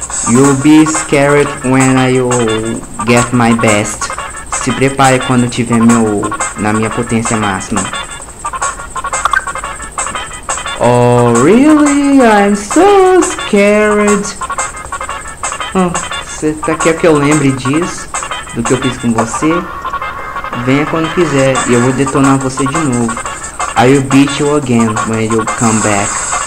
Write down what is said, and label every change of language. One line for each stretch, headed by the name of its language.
English: You'll be scared when I get my best.
Portuguese: Se prepare quando tiver na minha potência máxima.
English: Oh, really? I'm so scared.
Portuguese: Você tá querendo que eu lembre disso? Do que eu fiz com você? Venha quando quiser e eu vou detonar você de novo.
English: I'll beat you again when you come back.